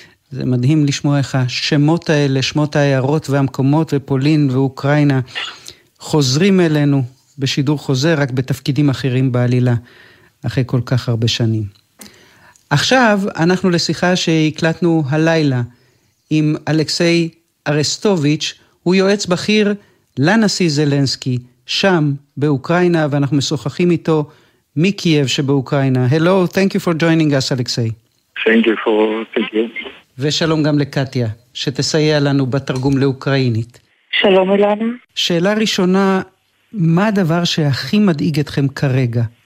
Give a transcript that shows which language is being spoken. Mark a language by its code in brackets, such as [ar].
[he] זה מדהים לשמוע איך השמות האלה, שמות הערות והמקומות ופולין ואוקראינה חוזרים אלינו בשידור חוזר, רק בתפקידים אחרים בעלילה, אחרי כל כך הרבה שנים. עכשיו אנחנו לשיחה שהקלטנו הלילה עם אלכסיי ארסטוביץ', הוא יועץ בכיר לנשיא זלנסקי שם באוקראינה, ואנחנו משוחחים איתו מקייב שבאוקראינה. [en] Hello, thank you for joining us, אלכסיי. Thank you. [he] ושלום גם לקטיה, שתסייע לנו בתרגום לאוקראינית. שלום אילנה. שאלה ראשונה, מה הדבר שהכי מדאיג אתכם כרגע?